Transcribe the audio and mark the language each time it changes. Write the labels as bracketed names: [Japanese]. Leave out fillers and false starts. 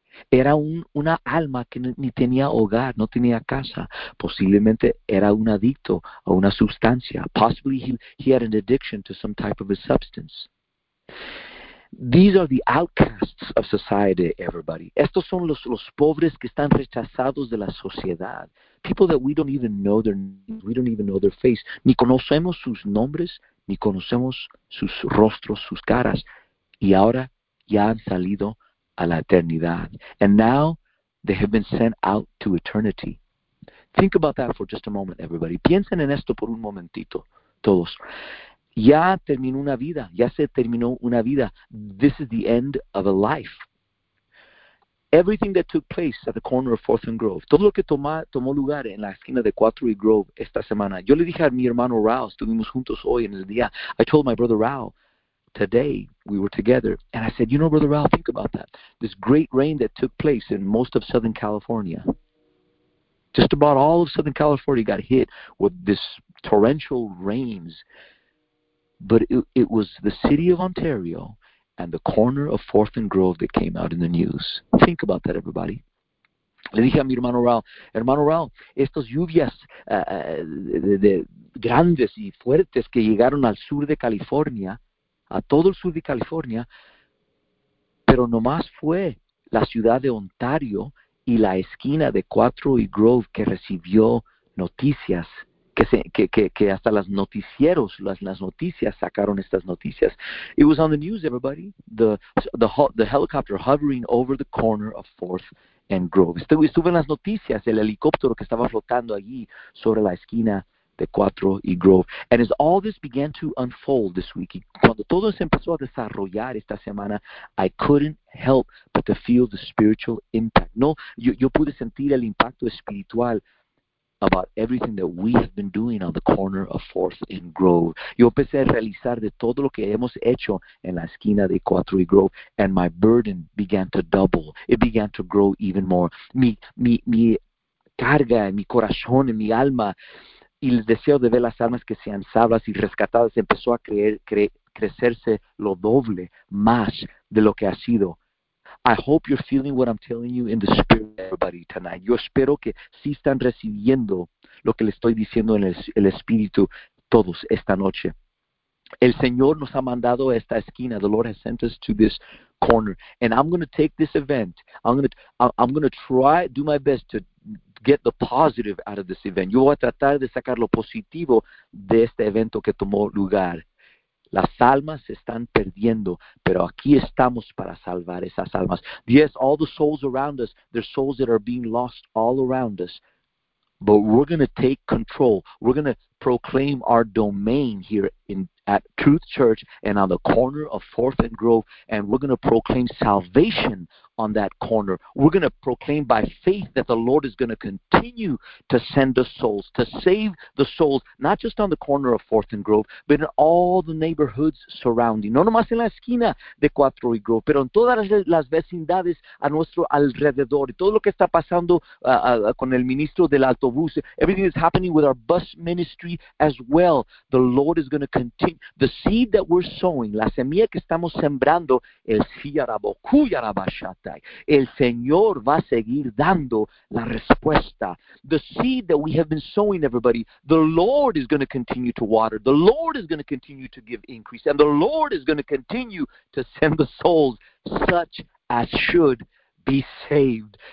[Spanish] Era una alma que ni tenía hogar, no tenía casa. Posiblemente era un adicto a una sustancia. [English] Possibly he had an addiction to some type of a substance. These are the outcasts of society, everybody. [Spanish] Estos son los pobres que están rechazados de la sociedad. [English] People that we don't even know their names, we don't even know their face. [Spanish] Ni conocemos sus nombres, ni conocemos sus rostros, sus caras. Y ahora ya han salido a la eternidad. [English] And now they have been sent out to eternity. Think about that for just a moment, everybody. [Spanish] Piensen en esto por un momentito, todos. Ya terminó una vida. Ya se terminó una vida. [English] This is the end of a life. Everything that took place at the corner of 4th and Grove, [Spanish] todo lo que tomó lugar en la esquina de 4 y Grove esta semana, yo le dije a mi hermano Rao, estuvimos juntos hoy en el día, [English] I told my brother Rao, today, we were together, and I said, you know, Brother Ralph, think about that. This great rain that took place in most of Southern California, just about all of Southern California got hit with this torrential rains, but it was the city of Ontario and the corner of 4th and Grove that came out in the news. Think about that, everybody. [Spanish] Le dije a mi hermano Raúl, estas lluvias de grandes y fuertes que llegaron al sur de California, a todo el sur de California, pero nomás fue la ciudad de Ontario y la esquina de 4 y Grove que recibió noticias que hasta las noticieros, las noticias sacaron estas noticias. [English] It was on the news, everybody. The helicopter hovering over the corner of 4th and Grove. [Spanish] Estuve en las noticias, el helicóptero que estaba flotando allí sobre la esquina de 4 y Grove. [English] And as all this began to unfold this week, [Spanish] cuando todo se empezó a desarrollar esta semana, [English] I couldn't help but to feel the spiritual impact. [Spanish] No, yo pude sentir el impacto espiritual [English] about everything that we have been doing on the corner of 4th and Grove. [Spanish] Yo empecé a realizar de todo lo que hemos hecho en la esquina de 4 y Grove, [English] and my burden began to double. It began to grow even more. [Spanish] Mi carga, mi corazón, mi alma, y el deseo de ver las almas que sean salvas y rescatadas empezó a crecerse lo doble, más de lo que ha sido. [English] I hope you're feeling what I'm telling you in the spirit, everybody, tonight. [Spanish] Yo espero que sí están recibiendo lo que le estoy diciendo en el espíritu todos esta noche. El Señor nos ha mandado a esta esquina. [English] The Lord has sent us to this corner. And I'm going to take this event. I'm going to try to do my best to get the positive out of this event. [Spanish] Yo voy a tratar de sacar lo positivo de este evento que tomó lugar. Las almas se están perdiendo, pero aquí estamos para salvar esas almas. [English] Yes, all the souls around us, there's souls that are being lost all around us. But we're going to take control. We're going to proclaim our domain here at Truth Church and on the corner of 4th and Grove, and we're going to proclaim salvation on that corner. We're going to proclaim by faith that the Lord is going to continue to send us souls, to save the souls, not just on the corner of 4th and Grove, but in all the neighborhoods surrounding. [Spanish] No nomás en la esquina de 4 y Grove, pero en todas las vecindades a nuestro alrededor. Y todo lo que está pasando con el ministro del autobús, [English] everything that's happening with our bus ministry as well, the Lord is going to continue. The seed that we're sowing, [Spanish] la semilla que estamos sembrando, el siyarabokú yarabashat. El Señor va a seguir dando la respuesta. [English] The seed that we have been sowing, everybody, the Lord is going to continue to water. The Lord is going to continue to give increase. And the Lord is going to continue to send the souls such as should be saved.